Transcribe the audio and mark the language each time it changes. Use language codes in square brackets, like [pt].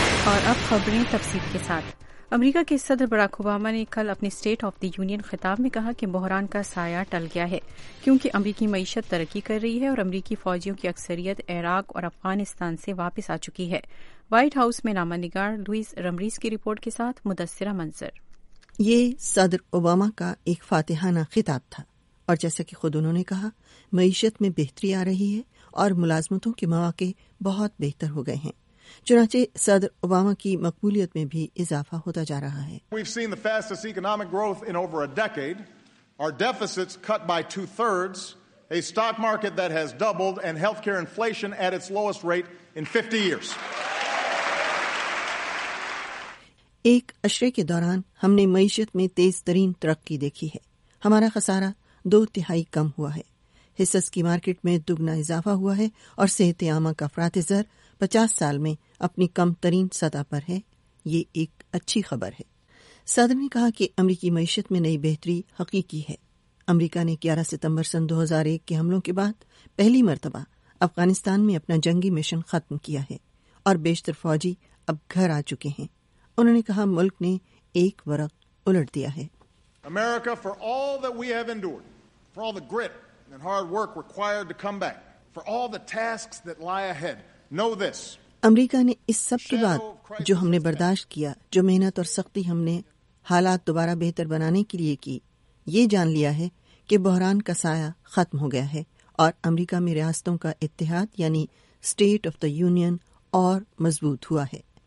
[ur] اور اب خبریں تفصیل کے ساتھ۔ امریکہ کے صدر براک اوباما نے کل اپنے سٹیٹ آف دی یونین خطاب میں کہا کہ بحران کا سایہ ٹل گیا ہے، کیونکہ امریکی معیشت ترقی کر رہی ہے اور امریکی فوجیوں کی اکثریت عراق اور افغانستان سے واپس آ چکی ہے۔ وائٹ ہاؤس میں نامہ نگار لوئس رمریز کی رپورٹ کے ساتھ مدثرہ منظر۔ یہ صدر اوباما کا ایک فاتحانہ خطاب تھا، اور جیسا کہ خود انہوں نے کہا، معیشت میں بہتری آ رہی ہے اور ملازمتوں کے مواقع بہت بہتر ہو گئے ہیں، چنانچہ صدر اوباما کی مقبولیت میں بھی اضافہ ہوتا جا رہا ہے۔ [en] We've seen the fastest economic growth in over a decade. Our deficits cut by 2/3, a stock market that has doubled, and healthcare inflation at its lowest rate in 50 years. [ur] ایک عشرے کے دوران ہم نے معیشت میں تیز ترین ترقی دیکھی ہے، ہمارا خسارہ دو تہائی کم ہوا ہے، حصص کی مارکیٹ میں دگنا اضافہ ہوا ہے، اور صحت عامہ کا افراط زر 50 سال میں اپنی کم ترین سطح پر ہے۔ یہ ایک اچھی خبر ہے۔ صدر نے کہا کہ امریکی معیشت میں نئی بہتری حقیقی ہے۔ امریکہ نے 11 ستمبر 2001 کے حملوں کے بعد پہلی مرتبہ افغانستان میں اپنا جنگی مشن ختم کیا ہے، اور بیشتر فوجی اب گھر آ چکے ہیں۔ انہوں نے کہا، ملک نے ایک ورق الٹ دیا ہے۔ [en] America, for all that we have endured, for all the grit and hard work required to come back, for all the tasks that lie ahead, know this. [ur] امریکہ نے اس سب کے بعد جو ہم نے برداشت کیا، جو محنت اور سختی ہم نے حالات دوبارہ بہتر بنانے کے لیے کی، یہ جان لیا ہے کہ بحران کا سایہ ختم ہو گیا ہے، اور امریکہ میں ریاستوں کا اتحاد یعنی سٹیٹ آف دی یونین اور مضبوط ہوا ہے۔